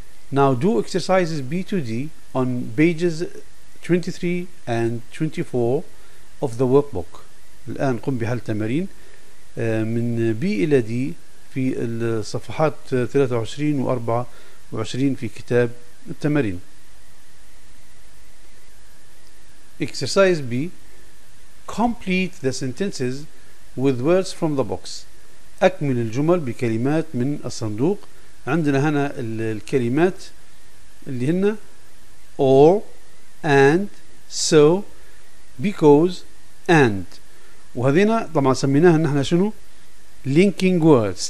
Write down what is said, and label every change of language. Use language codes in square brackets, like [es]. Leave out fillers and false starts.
[en] Now do exercises B to D on pages 23 and 24 of the workbook. [ar] الآن قم بحل تمارين من B إلى D في الصفحات 23 و24 في كتاب التمارين. [en] exercise B. complete the sentences with words from the box. [ar] أكمل الجمل بكلمات من الصندوق. عندنا هنا الكلمات اللي هن [en] or and so because and, [ar] وهذينا طبعا سميناها نحن شنو [en] linking words.